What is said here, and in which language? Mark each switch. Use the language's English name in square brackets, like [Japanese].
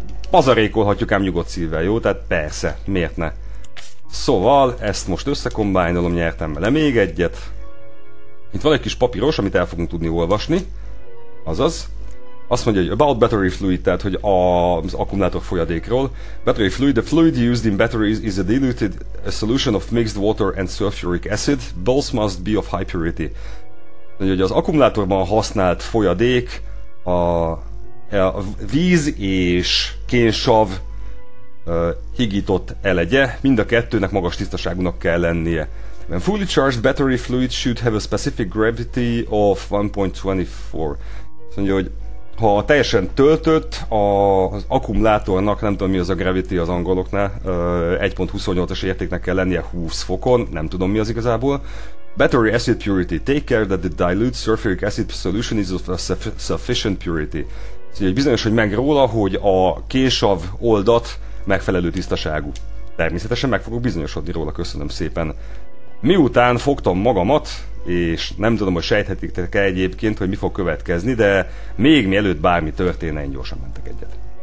[Hungarian] Pazarékolhatjuk ám nyugodt szívvel, jó? Tehát persze, miért ne? Szóval, ezt most összekombájnolom, nyertem vele még egyet. Itt van egy kis papíros, amit el fogunk tudni olvasni. Azaz. Azt mondja, hogy [English] about battery fluid, [Hungarian] tehát hogy az akkumulátor folyadékról. [English] Battery fluid, the fluid used in batteries is a diluted solution of mixed water and sulfuric acid. Both must be of high purity. [Hungarian] Mondja, hogy az akkumulátorban használt folyadék a víz és kénsav higított elegye. Mind a kettőnek magas tisztaságúnak kell lennie. [English] When fully charged battery fluid should have a specific gravity of 1.24. [Hungarian] Azt mondja, hogy ha teljesen töltött, az akkumulátornak, nem tudom mi az a gravity az angoloknál, 1.28-as értéknek kell lennie 20 fokon, nem tudom mi az igazából. [English] Battery acid purity. Take care that the dilute sulfuric acid solution is of a sufficient purity. [Hungarian] Szóval bizonyos, hogy meg róla, hogy a késav oldat megfelelő tisztaságú. Természetesen meg fogok bizonyosodni róla, köszönöm szépen. Miután fogtam magamat, és nem tudom, hogy sejthetitek-e egyébként, hogy mi fog következni, de még mielőtt bármi történne, én gyorsan mentek egyet.